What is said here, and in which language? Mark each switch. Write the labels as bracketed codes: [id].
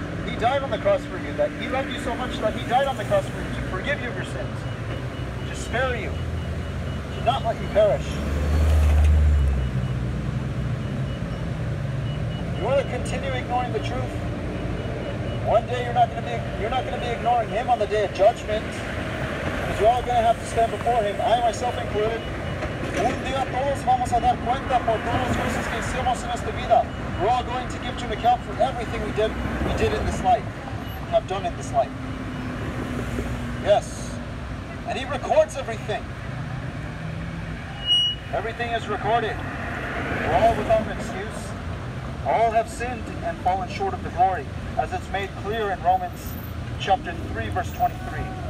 [en] He died on the cross for you, that he loved you so much that he died on the cross for you to forgive you of your sins, to spare you, to not let you perish. You want to continue ignoring the truth? One day you're not going to be ignoring him on the day of judgment. Because you're all going to have to stand before him, I myself included. [es] Un día todos vamos a dar cuenta por todas las cosas que hicimos en esta vida. [en] We're all going to give to an account for everything we did in this life, have done in this life. Yes. And he records everything. Everything is recorded. We're all without an excuse. All have sinned and fallen short of the glory, as it's made clear in Romans chapter 3, verse 23.